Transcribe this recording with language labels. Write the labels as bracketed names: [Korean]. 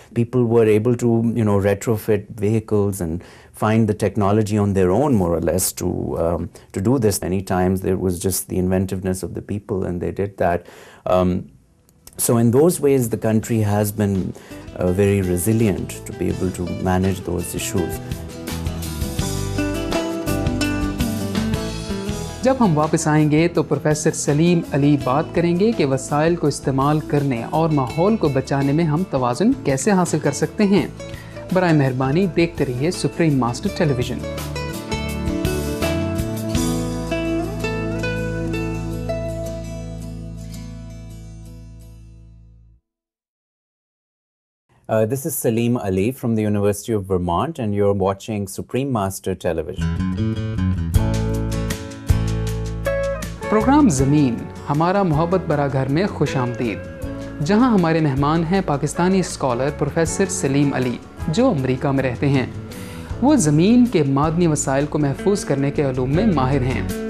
[English] People were able to, retrofit vehicles and find the technology on their own, more or less, to do this. Many times there was just the inventiveness of the people and they did that. So in those ways, the country has been very resilient to be able to manage those issues. [Hindi] जब हम वापस आएंगे तो professor Salim Ali बात करेंगे कि वसाइल को इस्तेमाल करने और माहौल को बचाने में हम तवाज़ुन कैसे हासिल कर सकते हैं। बराए मेहरबानी देखते रहिए supreme master television. [English] This is Salim Ali from the University of Vermont, and you're watching Supreme Master Television. [Hindi] Programme ज़मीन हमारा मोहब्बत भरा घर में खुश आमदीद, जहाँ हमारे मेहमान हैं पाकिस्तानी स्कॉलर प्रोफेसर सलीम अली, जो अमरीका में रहते हैं। वो ज़मीन के मादनी वसाइल को महफूज करने के उलूम में माहिर हैं।